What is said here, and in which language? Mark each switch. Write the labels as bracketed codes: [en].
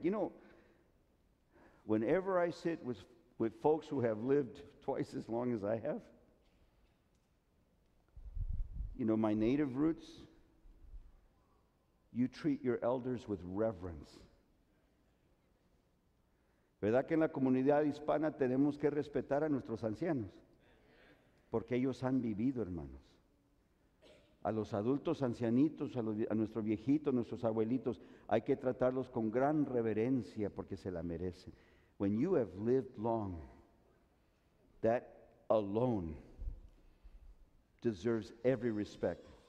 [en] You know, whenever I sit with folks who have lived twice as long as I have, you know, my native roots, you treat your elders with reverence. [es] ¿Verdad que en la comunidad hispana tenemos que respetar a nuestros ancianos? Porque ellos han vivido, hermanos. A los adultos ancianitos, a nuestros viejitos, nuestros abuelitos, hay que tratarlos con gran reverencia porque se la merecen. [en] When you have lived long, that alone deserves every respect.